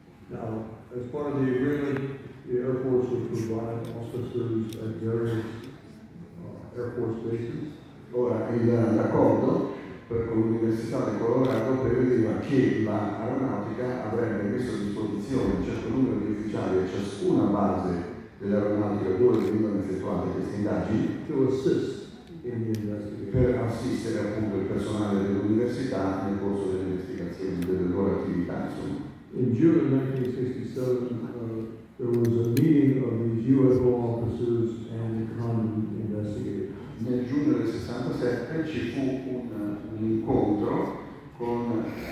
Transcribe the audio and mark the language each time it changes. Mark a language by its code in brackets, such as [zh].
[en] Now, as part of the agreement, the Air Force will provide officers at various Air Force bases. [it] Ora, l'accordo con l'Università di Colorado prevedeva che l'aeronautica avrebbe messo a disposizione un certo numero di ufficiali a ciascuna base dell'aeronautica dove venivano effettuate queste indagini [en] to assist in the investigation. [it] Per assistere appunto il personale dell'università nel corso delle investigazioni, delle loro attività, insomma. [en] In June 1967 there was a meeting of these UFO officers and the Condon investigators. [it] Nel giugno del 67 ci fu un incontro con